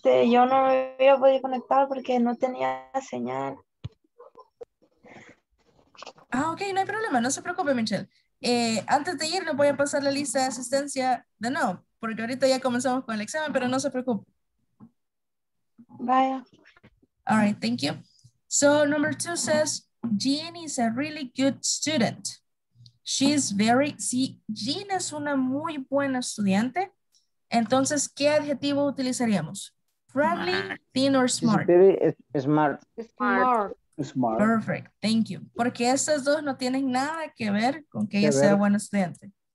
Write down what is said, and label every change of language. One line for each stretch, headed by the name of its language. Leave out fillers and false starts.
Spanish: Yo no me había podido conectar porque no tenía señal. Ah, ok, no hay problema, no se preocupe, Michelle. Antes de ir, le voy a pasar la lista de asistencia de nuevo, porque ahorita ya comenzamos con el examen, pero no se preocupe. Vaya.
English: All right, thank you. So, number two says, Jean is a really good student.
Spanish: She's very, si Jean es una muy buena estudiante, entonces, ¿qué adjetivo utilizaríamos?
English: Friendly, thin, or smart? Very smart. Smart. Perfect. Thank you.
Spanish: Porque estas dos no tienen nada que ver con que ella sea buena estudiante.